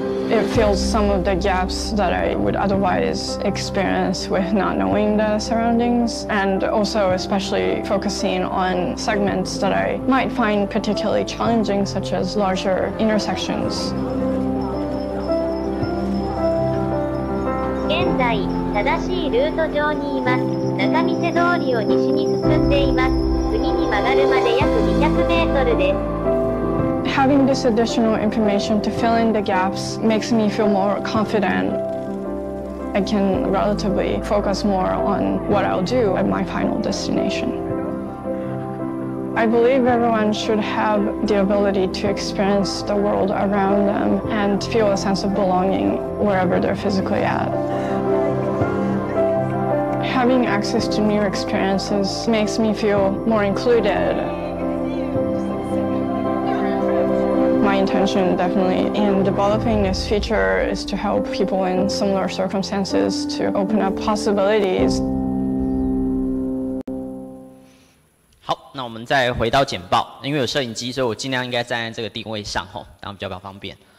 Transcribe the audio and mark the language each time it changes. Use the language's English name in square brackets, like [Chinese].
[English] It fills some of the gaps that I would otherwise experience with not knowing the surroundings, and also especially focusing on segments that I might find particularly challenging, such as larger intersections. [Japanese] 現在正しいルート上にいます。中見世通りを西に進んでいます。次に曲がるまで約200メートルです。 [English] Having this additional information to fill in the gaps makes me feel more confident. I can relatively focus more on what I'll do at my final destination. I believe everyone should have the ability to experience the world around them and feel a sense of belonging wherever they're physically at. Having access to new experiences makes me feel more included. My intention definitely in developing this feature is to help people in similar circumstances to open up possibilities. [Chinese] 好，那我们再回到简报，因为有摄影机，所以我尽量应该站在这个定位上，吼，这样比较方便。